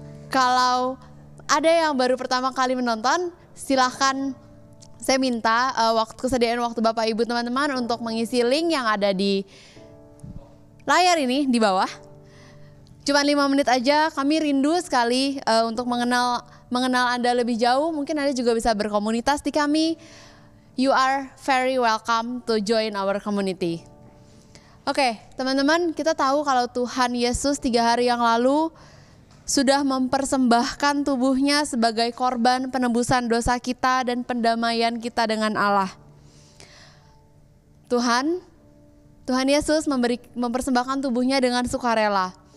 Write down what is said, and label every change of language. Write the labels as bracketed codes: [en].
[id] Kalau ada yang baru pertama kali menonton, silakan saya minta waktu kesediaan waktu Bapak Ibu teman-teman untuk mengisi link yang ada di layar ini di bawah. Cuma 5 menit aja, kami rindu sekali untuk mengenal Anda lebih jauh. Mungkin Anda juga bisa berkomunitas di kami. [en] you are very welcome to join our community. [id] Oke, teman-teman, kita tahu kalau Tuhan Yesus 3 hari yang lalu sudah mempersembahkan tubuhnya sebagai korban penebusan dosa kita dan pendamaian kita dengan Allah. Tuhan Yesus mempersembahkan tubuhnya dengan sukarela.